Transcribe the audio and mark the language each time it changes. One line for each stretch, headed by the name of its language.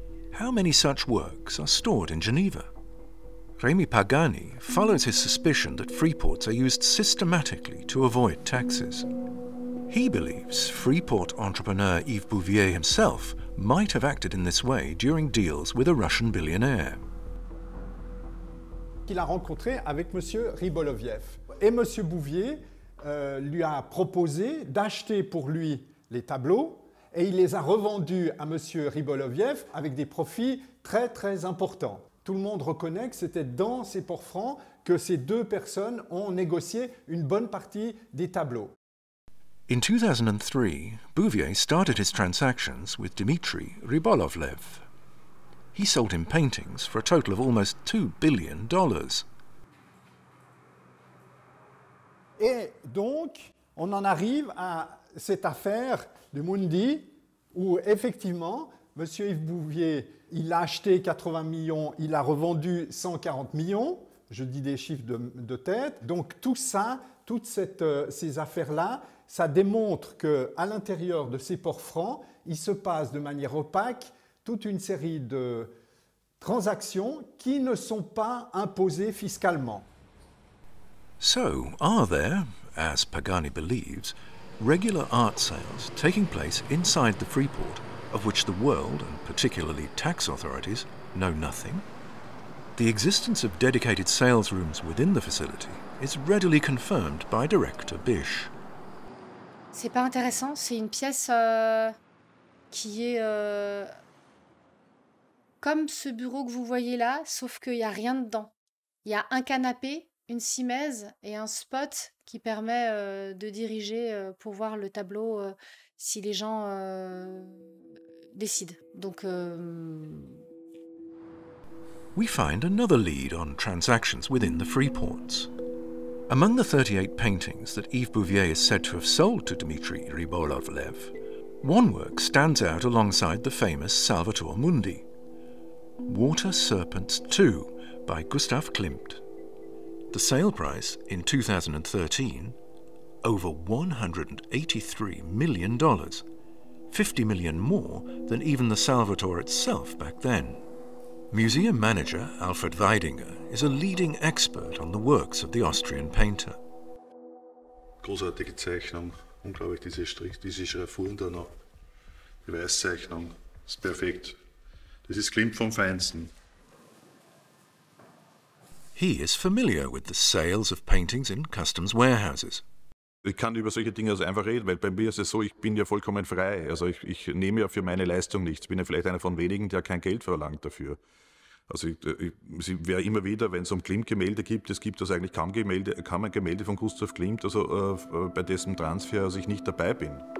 English: How many such works are stored in Geneva? Remy Pagani follows his suspicion that freeports are used systematically to avoid taxes. He believes freeport entrepreneur Yves Bouvier himself might have acted in this way during deals with a Russian billionaire.
French: Il a rencontré avec Monsieur Riboloviev et Monsieur Bouvier lui a proposé d'acheter pour lui les tableaux et il les a revendus à Monsieur Riboloviev avec des profits très très importants. Tout le monde reconnaît que c'était dans ces ports francs que ces deux personnes ont négocié une bonne partie des tableaux.
English: In 2003, Bouvier started his transactions with Dmitri Riboloviev. He sold him paintings for a total of almost $2 billion.
French: Et donc, on en arrive à cette affaire du Mundi où effectivement, Monsieur Yves Bouvier, il a acheté 80 millions, il a revendu 140 millions, je dis des chiffres de tête. Donc tout ça, toutes ces affaires-là, ça démontre qu'à l'intérieur de ces ports francs, il se passe de manière opaque toute une série de transactions qui ne sont pas imposées fiscalement.
English: So, are there, as Pagani believes, regular art sales taking place inside the Freeport, of which the world, and particularly tax authorities, know nothing? The existence of dedicated sales rooms within the facility is readily confirmed by Director Bisch.
French: C'est pas intéressant, c'est une pièce qui est comme ce bureau que vous voyez là, sauf qu'il n'y a rien dedans. Il y a un canapé, une simèse et un spot qui permet de diriger pour voir le tableau si les gens décident. Donc,
English: We find another lead on transactions within the Freeports. Among the 38 paintings that Yves Bouvier is said to have sold to Dmitri Riboloviev, one work stands out alongside the famous Salvator Mundi. Water Serpents 2 by Gustav Klimt. The sale price in 2013, over $183 million, $50 million more than even the Salvator itself back then. Museum manager Alfred Weidinger is a leading expert on the works of the Austrian painter.
German: Großartige Zeichnung, unglaublich, diese Strich, diese Schraffuren, die Weißzeichnung, ist perfekt. Das ist Klimt vom Feinsten.
English: He is familiar with the sales of paintings in customs warehouses.
German: Ich kann über solche Dinge also einfach reden, weil bei mir ist es so, ich bin ja vollkommen frei. Also ich nehme ja für meine Leistung nichts. Ich bin ja vielleicht einer von wenigen, der kein Geld verlangt dafür. Also ich wäre immer wieder, wenn es um Klimt-Gemälde gibt, es gibt also eigentlich kaum ein Gemälde von Gustav Klimt, also bei dessen Transfer also ich nicht dabei bin.